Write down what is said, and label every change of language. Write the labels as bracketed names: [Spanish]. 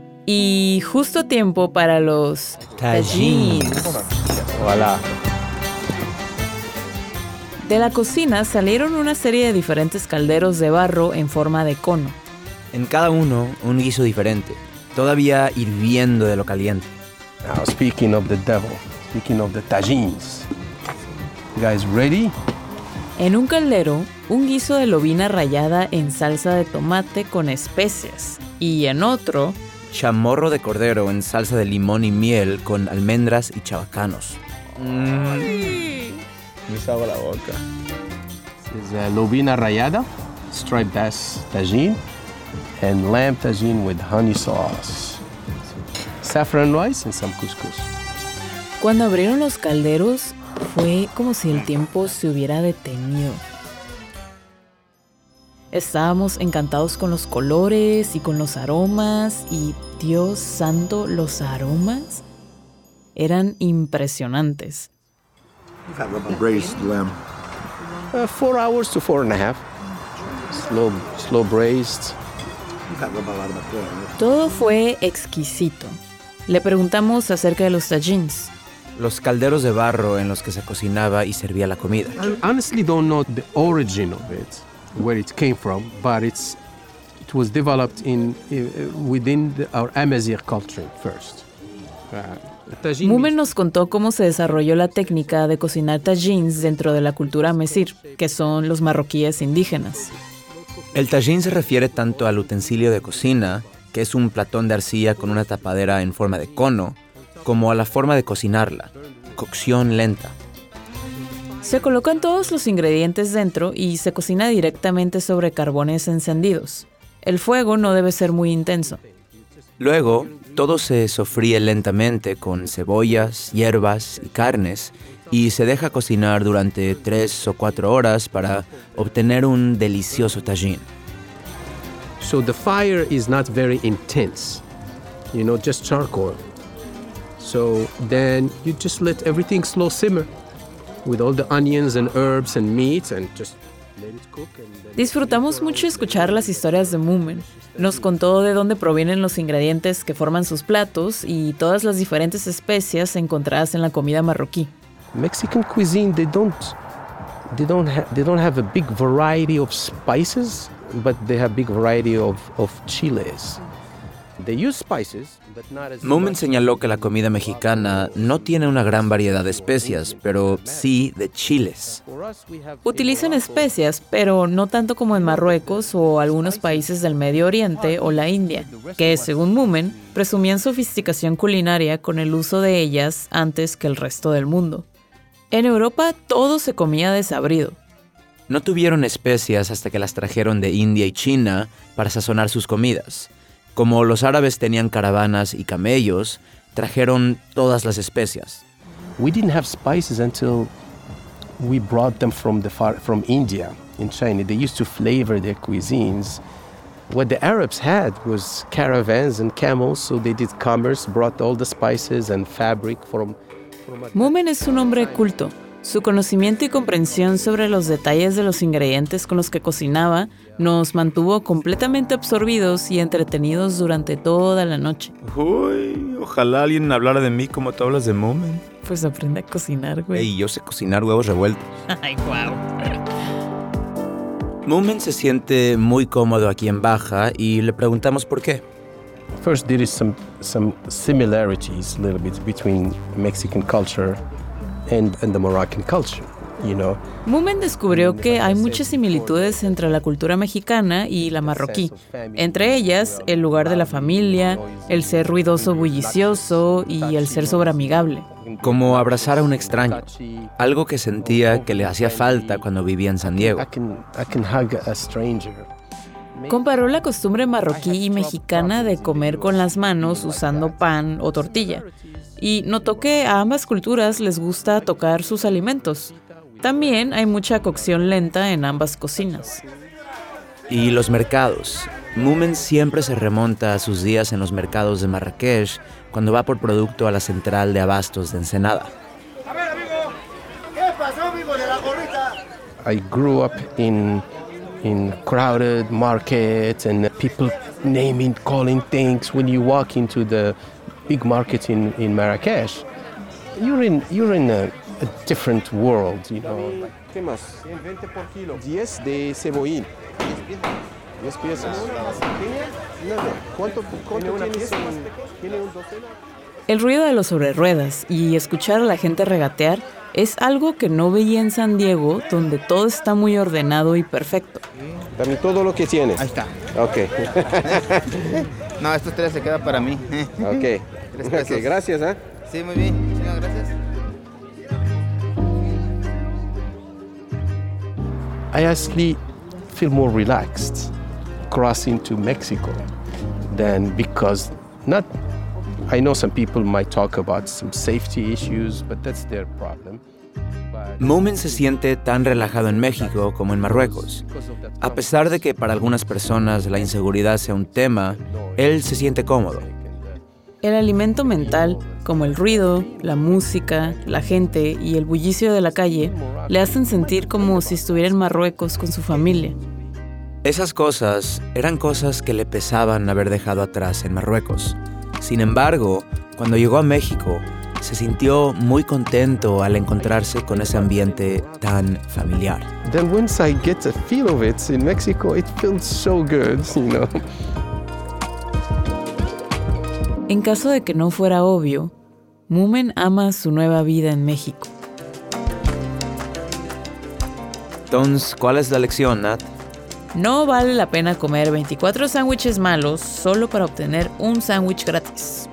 [Spanish] Y justo tiempo para los tajines. Hola. De la cocina salieron una serie de diferentes calderos de barro en forma de cono. En cada uno, un guiso diferente, todavía hirviendo de lo caliente. [English] Now, speaking of the devil, speaking of the tajines. You guys ready? [Spanish] En un caldero, un guiso de lobina rallada en salsa de tomate con especias. Y en otro, chamorro de cordero en salsa de limón y miel con almendras y chabacanos. Me salva la boca. [English] This is lobina rallada, striped bass tagine, and lamb tagine with honey sauce. Saffron rice and some couscous. [Spanish] Cuando abrieron los calderos, fue como si el tiempo se hubiera detenido. Estábamos encantados con los colores y con los aromas, y Dios santo, los aromas eran impresionantes. [English] You've had a braised lamb. 4 hours to 4.5. Slow braised. [Spanish] Todo fue exquisito. Le preguntamos acerca de los tajines. Los calderos de barro en los que se cocinaba y servía la comida. [English] I honestly don't know the origin of it, where it came from, but it was developed within our Amazigh culture first. [Spanish] Mumen nos contó cómo se desarrolló la técnica de cocinar tajines dentro de la cultura mesir, que son los marroquíes indígenas. El tajín se refiere tanto al utensilio de cocina, que es un platón de arcilla con una tapadera en forma de cono, como a la forma de cocinarla, cocción lenta. Se colocan todos los ingredientes dentro y se cocina directamente sobre carbones encendidos. El fuego no debe ser muy intenso. Luego, todo se sofríe lentamente con cebollas, hierbas y carnes y se deja cocinar durante 3 o 4 horas para obtener un delicioso tajín. [English] So the fire is not very intense, you know, just charcoal. So then you just let everything slow simmer with all the onions and herbs and meat and just... [Spanish] Disfrutamos mucho escuchar las historias de Mumen. Nos contó de dónde provienen los ingredientes que forman sus platos y todas las diferentes especias encontradas en la comida marroquí. [English] Mexican cuisine, they don't have a big variety of spices, but they have big variety of chiles. They use spices, but not as [Spanish] Mumen señaló que la comida mexicana no tiene una gran variedad de especias, pero sí de chiles. Utilizan especias, pero no tanto como en Marruecos o algunos países del Medio Oriente o la India, que, según Mumen, presumían sofisticación culinaria con el uso de ellas antes que el resto del mundo. En Europa, todo se comía desabrido. No tuvieron especias hasta que las trajeron de India y China para sazonar sus comidas. Como los árabes tenían caravanas y camellos, trajeron todas las especias. [English] We didn't have spices until we brought them from India in China. They used to flavor their cuisines. What the Arabs had was caravans and camels, so they did commerce, brought all the spices and fabric from [Spanish] Mumen es un hombre culto. Su conocimiento y comprensión sobre los detalles de los ingredientes con los que cocinaba nos mantuvo completamente absorbidos y entretenidos durante toda la noche. Uy, ojalá alguien hablara de mí como tú hablas de Mumen. Pues aprende a cocinar, güey. Ey, yo sé cocinar huevos revueltos. Ay, guau. Mumen se siente muy cómodo aquí en Baja y le preguntamos por qué. [English] First, there is some similarities a little bit between Mexican culture and the Moroccan culture, you know. [Spanish] Mumen descubrió que hay muchas similitudes entre la cultura mexicana y la marroquí. Entre ellas, el lugar de la familia, el ser ruidoso, bullicioso y el ser sobreamigable. Como abrazar a un extraño, algo que sentía que le hacía falta cuando vivía en San Diego. [English] I can hug a stranger. [Spanish] Comparó la costumbre marroquí y mexicana de comer con las manos usando pan o tortilla. Y notó que a ambas culturas les gusta tocar sus alimentos. También hay mucha cocción lenta en ambas cocinas. Y los mercados. Mumen siempre se remonta a sus días en los mercados de Marrakech cuando va por producto a la central de abastos de Ensenada. A ver, amigo, ¿qué pasó, amigo, de la gorrita? [English] I grew up in crowded markets and people naming, calling things when you walk into the big markets in Marrakech. You're in a different world, you know. [Spanish] ¿Qué más? 20 por kilo. 10 de cebollín. 10 piezas. ¿Tiene una ¿Cuánto tiene una pieza? ¿Tiene un docena? El ruido de los sobre ruedas y escuchar a la gente regatear es algo que no veía en San Diego, donde todo está muy ordenado y perfecto. Dame todo lo que tienes. Ahí está. Ok. No, estos tres se quedan para mí. Ok. Tres pesos. Ok, gracias, ¿eh? Sí, muy bien. Muchísimas gracias. [English] I actually feel more relaxed crossing to Mexico than because not. I know some people might talk about some safety issues, but that's their problem. [Spanish] Mumen se siente tan relajado en México como en Marruecos. A pesar de que para algunas personas la inseguridad sea un tema, él se siente cómodo. El alimento mental, como el ruido, la música, la gente y el bullicio de la calle, le hacen sentir como si estuviera en Marruecos con su familia. Esas cosas eran cosas que le pesaban haber dejado atrás en Marruecos. Sin embargo, cuando llegó a México, se sintió muy contento al encontrarse con ese ambiente tan familiar. [English] Then once I get a feel of it in Mexico, it feels so good, you know. [Spanish] En caso de que no fuera obvio, Mumen ama su nueva vida en México. Entonces, ¿cuál es la lección, Nat? No vale la pena comer 24 sándwiches malos solo para obtener un sándwich gratis.